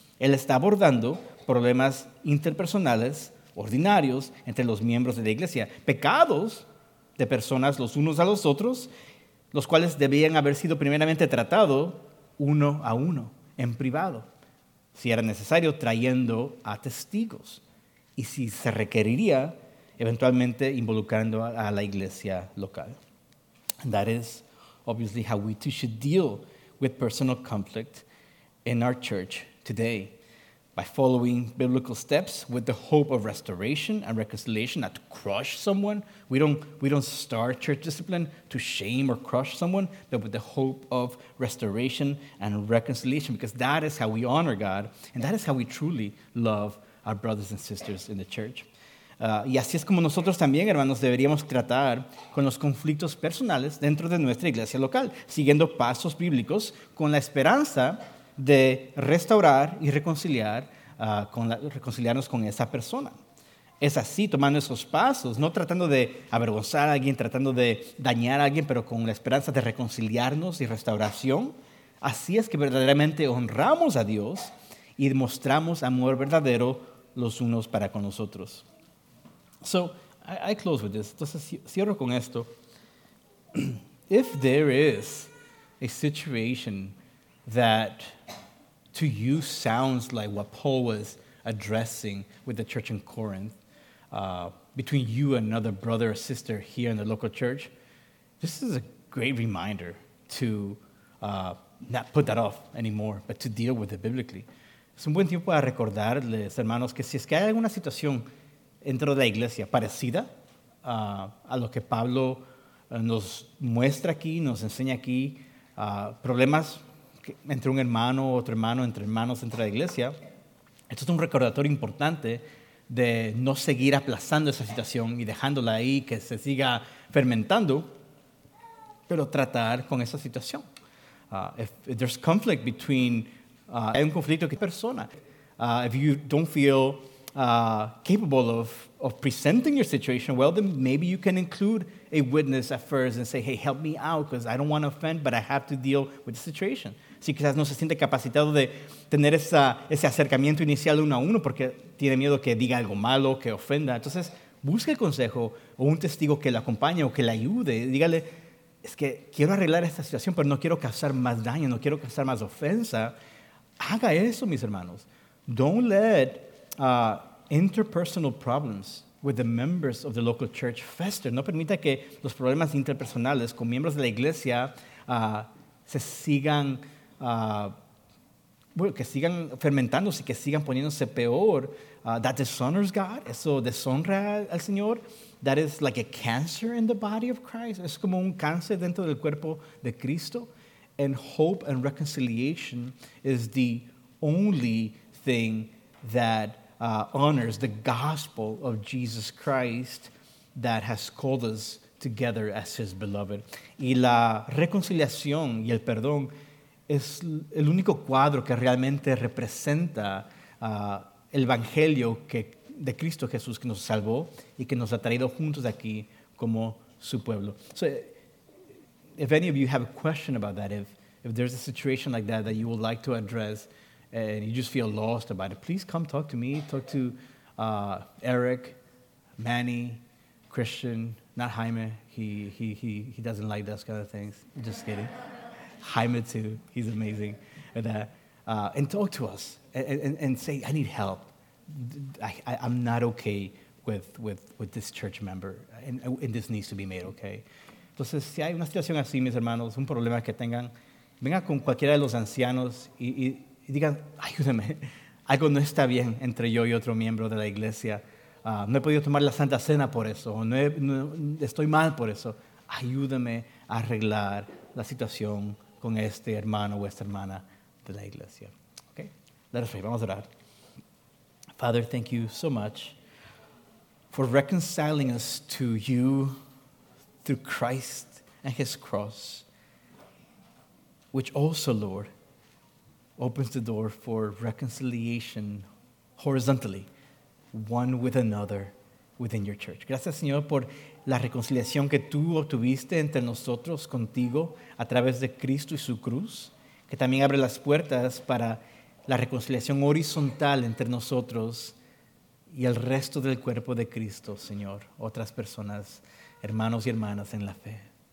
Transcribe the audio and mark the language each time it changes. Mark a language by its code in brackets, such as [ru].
[es] Él está abordando problemas interpersonales, ordinarios, entre los miembros de la iglesia, pecados de personas los unos a los otros, los cuales debían haber sido primeramente tratados uno a uno, en privado, si era necesario, trayendo a testigos, y si se requeriría, eventualmente involucrando a la iglesia local. [en] And that is obviously how we too should deal with personal conflict in our church today, by following biblical steps with the hope of restoration and reconciliation, not to crush someone. We don't start church discipline to shame or crush someone, but with the hope of restoration and reconciliation, because that is how we honor God, and that is how we truly love our brothers and sisters in the church. [es] Y así es como nosotros también, hermanos, deberíamos tratar con los conflictos personales dentro de nuestra iglesia local, siguiendo pasos bíblicos con la esperanza de restaurar y reconciliarnos con esa persona. Es así, tomando esos pasos, no tratando de avergonzar a alguien, tratando de dañar a alguien, pero con la esperanza de reconciliarnos y restauración. Así es que verdaderamente honramos a Dios y demostramos amor verdadero los unos para con los otros. [en] So, I close with this. [es] Entonces, cierro con esto. [en] If there is a situation that to you sounds like what Paul was addressing with the church in Corinth, between you and another brother or sister here in the local church, this is a great reminder to not put that off anymore, but to deal with it biblically. [es] Es un buen tiempo para recordarles, hermanos, que si es que hay alguna situación dentro de la iglesia parecida a lo que Pablo nos muestra aquí, nos enseña aquí, problemas entre un hermano, otro hermano, entre hermanos, entre la iglesia. Esto es un recordatorio importante de no seguir aplazando esa situación y dejándola ahí, que se siga fermentando, pero tratar con esa situación. [en] If there's conflict between, [es] hay un conflicto que persona. [en] If you don't feel capable of presenting your situation well, then maybe you can include a witness at first and say, hey, help me out, because I don't want to offend, but I have to deal with the situation. [es] Si quizás no se siente capacitado de tener ese acercamiento inicial uno a uno porque tiene miedo que diga algo malo, que ofenda. Entonces, busque el consejo o un testigo que le acompañe o que le ayude. Dígale, es que quiero arreglar esta situación, pero no quiero causar más daño, no quiero causar más ofensa. Haga eso, mis hermanos. [en] Don't let interpersonal problems with the members of the local church fester. [es] No permita que los problemas interpersonales con miembros de la iglesia se sigan, bueno, que sigan fermentándose, que sigan poniéndose peor. [en] That dishonors God. [es] Eso deshonra al Señor. [en] That is like a cancer in the body of Christ. [es] Es como un cáncer dentro del cuerpo de Cristo. [en] And hope and reconciliation is the only thing that honors the gospel of Jesus Christ that has called us together as his beloved. [es] Y la reconciliación y el perdón es el único cuadro que realmente representa el evangelio de Cristo Jesús que nos salvó y que nos ha traído juntos aquí como su pueblo. [en] So, if any of you have a question about that, if there's a situation like that you would like to address and you just feel lost about it, please come talk to me, talk to Eric, Manny, Christian, not Jaime, he doesn't like those kind of things, just kidding. Jaime too, he's amazing. And talk to us and say, I need help. I'm not okay with this church member and this needs to be made okay. [es] Entonces, si hay una situación así, mis hermanos, un problema que tengan, vengan con cualquiera de los ancianos y digan, ayúdame, algo no está bien entre yo y otro miembro de la iglesia. No he podido tomar la Santa Cena por eso, estoy mal por eso. Ayúdame a arreglar la situación con este hermano o esta hermana de la iglesia. [en] Okay? Let us pray. [es] Vamos a orar. [en] Father, thank you so much for reconciling us to you through Christ and his cross, which also, Lord, opens the door for reconciliation horizontally, one with another within your church. [es] Gracias, Señor, por la reconciliación que tú obtuviste entre nosotros contigo a través de Cristo y su cruz, que también abre las puertas para la reconciliación horizontal entre nosotros y el resto del cuerpo de Cristo, Señor, otras personas, hermanos y hermanas en la fe.